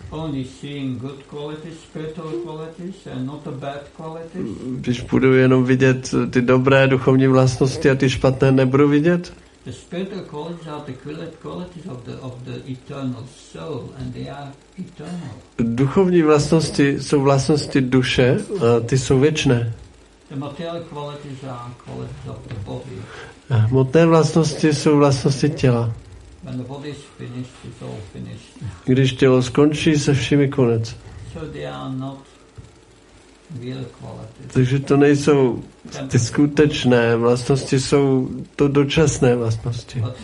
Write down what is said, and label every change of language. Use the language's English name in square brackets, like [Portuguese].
[English] Only seeing good qualities, spiritual qualities, and not the bad qualities. [Czech] Když budu jenom vidět ty dobré duchovní vlastnosti a ty špatné nebudu vidět? [English] The spiritual qualities are the qualities of the eternal soul, and they are eternal. [Czech] Duchovní vlastnosti jsou vlastnosti duše, a ty jsou věčné. [English] The material qualities are qualities of the body. [Czech] Hmotné vlastnosti jsou vlastnosti těla. [English] When the body is finished, it's all finished. [Czech] Když tělo skončí, se vším je konec. [English] So they are not real qualities. [Czech] Takže to nejsou ty skutečné vlastnosti, jsou to dočasné vlastnosti.